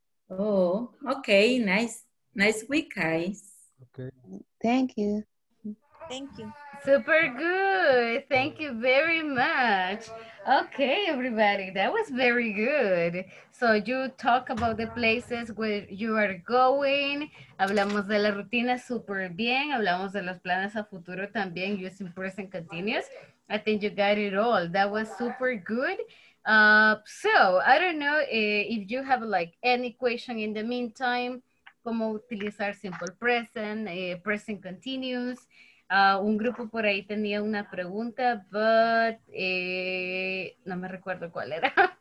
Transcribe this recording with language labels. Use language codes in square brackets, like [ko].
[en] Oh, okay. Nice week, guys. Okay. Thank you. Thank you. Super good. Thank you very much. Okay, everybody. That was very good. So you talk about the places where you are going. [es] Hablamos de la rutina super bien. Hablamos de los planes a futuro también [en] using present continuous. I think you got it all. That was super good. So I don't know if you have like any question in the meantime, [es] cómo utilizar [en] simple present, present continuous. [es] Un grupo por ahí tenía una pregunta, but no me recuerdo cuál era.